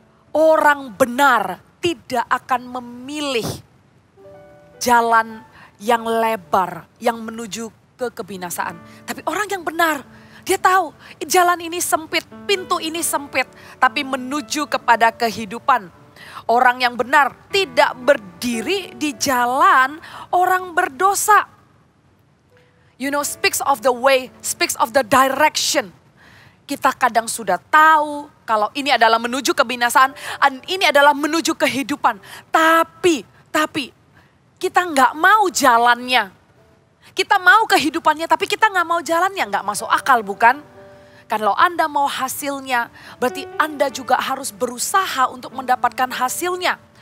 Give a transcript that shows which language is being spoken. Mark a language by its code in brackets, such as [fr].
[id] Orang benar tidak akan memilih jalan yang lebar, yang menuju ke kebinasaan. Tapi orang yang benar, dia tahu jalan ini sempit, pintu ini sempit, tapi menuju kepada kehidupan. Orang yang benar tidak berdiri di jalan orang berdosa. [en] You know, speaks of the way, speaks of the direction. [id] Kita kadang sudah tahu kalau ini adalah menuju kebinasaan dan ini adalah menuju kehidupan. Tapi kita enggak mau jalannya. Kita mau kehidupannya, tapi kita enggak mau jalannya. Enggak masuk akal, bukan? Kalau Anda mau hasilnya, berarti Anda juga harus berusaha untuk mendapatkan hasilnya.